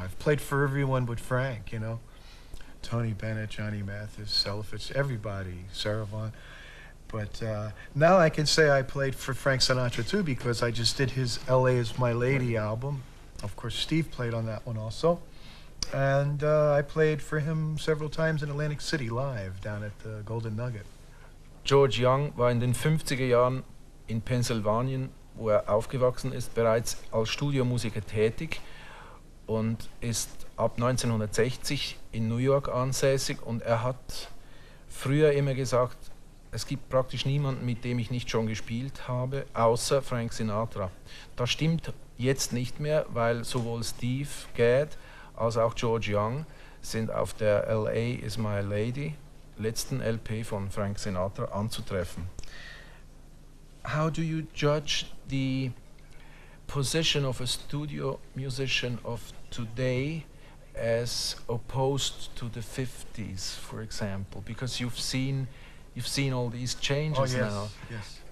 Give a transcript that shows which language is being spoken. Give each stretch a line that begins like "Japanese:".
English: I've played for everyone but Frank, you know? Tony Bennett, Johnny Mathis, Seliphus, everybody, Sarah Vaughan. But now I can say I played for Frank Sinatra too, because I just did his L.A. Is My Lady album. Of course, Steve played on that one also. And I played for him several times in Atlantic City live down at the Golden Nugget.
German: George Young war in den 50er Jahren in Pennsylvania, wo er aufgewachsen ist, bereits als Studiomusiker tätig und ist ab 1960 in New York ansässig. Und er hat früher immer gesagt, es gibt praktisch niemanden, mit dem ich nicht schon gespielt habe, außer Frank Sinatra. Das stimmt jetzt nicht mehr, weil sowohl Steve Gadd als auch George Young sind auf der L.A. Is My Lady, letzten LP von Frank Sinatra, anzutreffen.
English: How do you judge the position of a studio musician of today as opposed to the 50s, for example? Because you've seen all these changes now. Oh, yes,